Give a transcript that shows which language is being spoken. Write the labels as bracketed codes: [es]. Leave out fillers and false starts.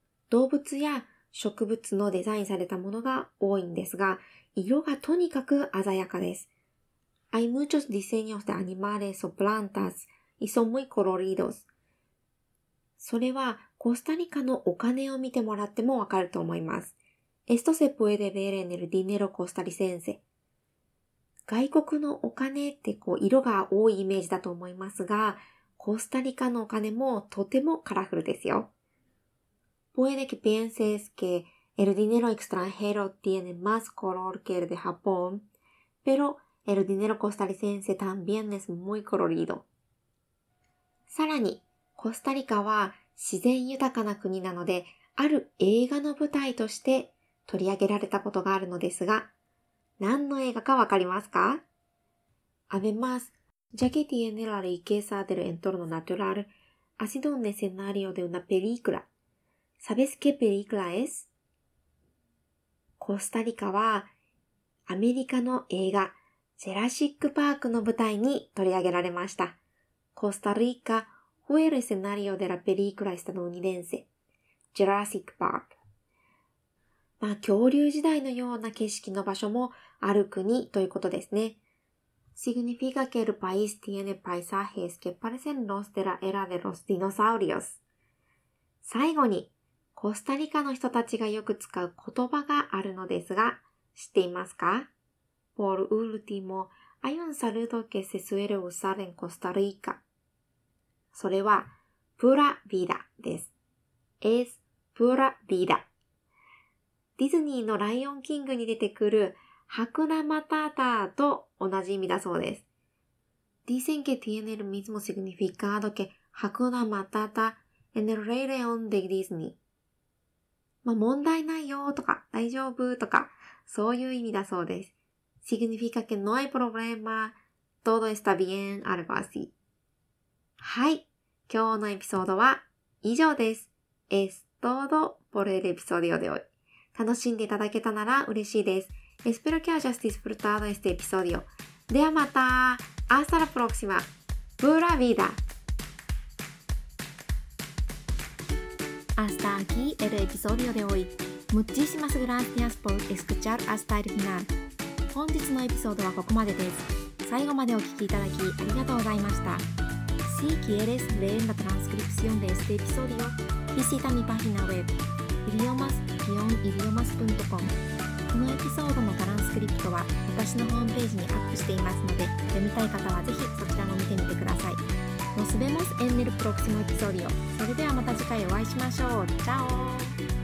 [ja] 動物や植物のデザインされたものが多いんですが、色がとにかく鮮やかです。 [es] Hay muchos diseños de animales o plantas y son muy coloridos. [ja] それはコスタリカのお金を見てもらってもわかると思います。 [es] Esto se puede ver en el dinero costarricense. [ja] 外国のお金ってこう色が多いイメージだと思いますが、コスタリカのお金もとてもカラフルですよ。 [es] Puede que pienses que el dinero extranjero tiene más color que el de Japón, pero el dinero costarricense también es muy colorido。 [ja] さらに、コスタリカは自然豊かな国なので、ある映画の舞台として取り上げられたことがあるのですが、何の映画かわかりますか? [es] Además, ya que tiene la riqueza del entorno natural, ha sido un escenario de una película. ¿Sabes qué película es? [ja] コスタリカはアメリカの映画、ジェラシックパークの舞台に取り上げられました。 [es] コスタリカ fue el escenario de la película estadounidense, Jurassic Park. [ja] まあ、恐竜時代のような景色の場所もある国ということですね。 [es] Significa que el país tiene paisajes que parecen los de la era de los dinosaurios. [ja] 最後に、コスタリカの人たちがよく使う言葉があるのですが、知っていますか? [es] Por último, hay un saludo que se suele usar en Costa Rica. [ja] それは、pura vida です。 [es] Es pura vida. [ja] ディズニーのライオンキングに出てくるハクナマタータと同じ意味だそうです。 [es] Dicen que tiene el mismo significado que ハクナマタータ en el Rey León de Disney。 [ja] まあ、問題ないよとか大丈夫とかそういう意味だそうです。 [es] Significa que no hay problema, todo está bien, algo así。 [ja] はい、今日のエピソードは以上です。 [es] Es todo por el episodio de hoy. [ja] 楽しんでいただけたなら嬉しいです。 [es] Espero que hayas disfrutado este episodio. [ja] ではまた。 [es] Hasta la próxima. Pura vida. Hasta aquí el episodio de hoy. Muchísimas gracias por escuchar hasta el final. [ja] 本日のエピソードはここまでです。最後までお聞きいただきありがとうございました。 [es] Si quieres leer la transcripción de este episodio, visita mi página web. [ja] idiomas-idiomas.com このエピソードのトランスクリプトは私のホームページにアップしていますので読みたい方はぜひそちらも見てみてください。 [es] Nos vemos en el próximo episodio. [ja] それではまた次回お会いしましょう。チャオ。